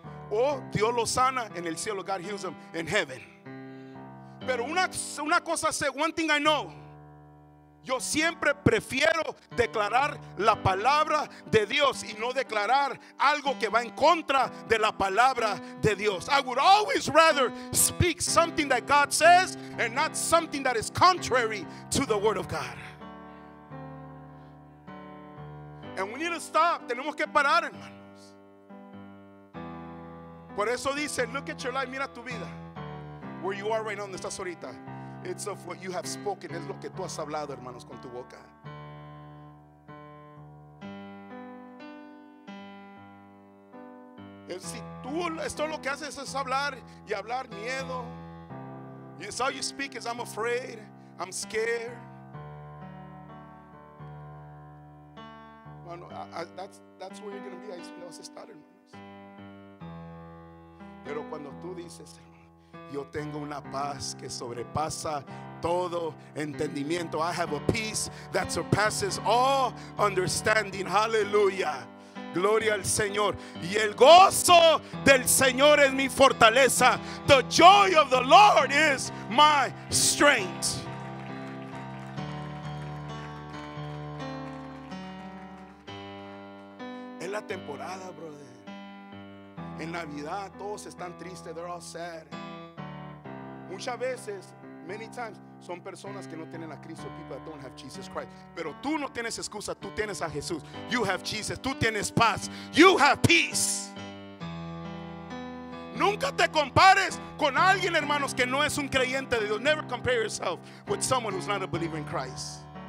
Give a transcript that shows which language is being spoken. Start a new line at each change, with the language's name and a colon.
Spanish: O Dios lo sana en el cielo.
English: God heals him in heaven.
Spanish: Pero una cosa sé,
English: one thing I know.
Spanish: Yo siempre prefiero declarar la palabra de Dios y no declarar algo que va en contra de la palabra de Dios.
English: I would always rather speak something that God says and not something that is contrary to the word of God. And we need to stop.
Spanish: Tenemos que parar, hermanos. Por eso dice,
English: look at your life,
Spanish: mira tu vida.
English: Where you are right now,
Spanish: donde estás ahorita.
English: It's of what you have spoken.
Spanish: Es lo que tú has hablado, hermanos, con tu boca. Si tú, esto lo que haces es hablar y hablar miedo.
English: It's all you speak is I'm afraid, I'm scared.
Spanish: Bueno,
English: that's where you're going to be.
Spanish: Ahí es donde vas a estar, hermanos. Pero cuando tú dices, yo tengo una paz que sobrepasa todo entendimiento.
English: I have a peace that surpasses all understanding. Hallelujah.
Spanish: Gloria al Señor. Y el gozo del Señor es mi fortaleza.
English: The joy of the Lord is my strength.
Spanish: Es la temporada, brother. En Navidad todos están tristes.
English: They're all sad.
Spanish: Muchas veces,
English: many times,
Spanish: son personas que no tienen a Cristo,
English: people that don't have Jesus Christ.
Spanish: Pero tú no tienes excusa, tú tienes a Jesús.
English: You have Jesus,
Spanish: tú tienes paz.
English: You have peace.
Spanish: Nunca te compares con alguien, hermanos, que no es un creyente de Dios.
English: Never compare yourself with someone who's not a believer in Christ.